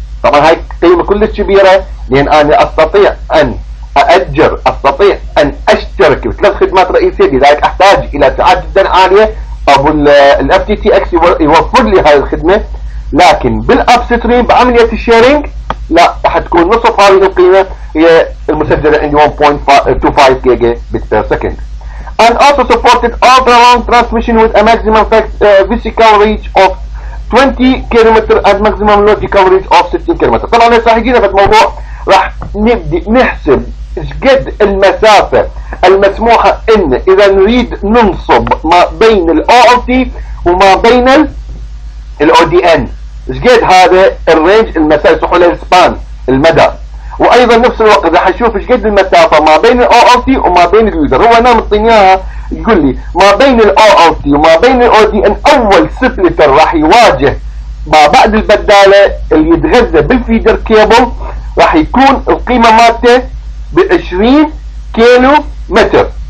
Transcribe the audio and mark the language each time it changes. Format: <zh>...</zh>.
<ar>طبعا هاي قيمة كلش كبيرة لان انا استطيع ان اجر استطيع ان اشترك بثلاث خدمات رئيسية، لذلك احتاج الى سعات جدا عالية او الـ FTTX يوفر لي هاي الخدمة. لكن بالابستريم بعملية الشيرينج لا، راح تكون نصف هذه القيمة هي المسجلة عندي 1.25 جيجا بت بير سكند.</ar> <en>And also supported ultra long transmission with a maximum physical reach of 20 kilometre and maximum logical reach of 16 kilometre.</en> <ar>طبعا يا صاحبينا في الموضوع راح نبدأ نحسب شقد المسافة المسموحة ان اذا نريد ننصب ما بين الـ OLT وما بين الـ ODN شقد هذا الرينج المسافة صحوة للسبان المدى، وايضا نفس الوقت اذا حشوف شقد المسافة ما بين الـ OLT وما بين الـ User. هو انا مطنياها يقول لي ما بين الـ OLT وما بين الـ ODN اول سبلتر راح يواجه ما بعد البدالة اللي يتغذى بالفيدر كيبل راح يكون القيمة مالته ب 20 كيلو متر.</ar>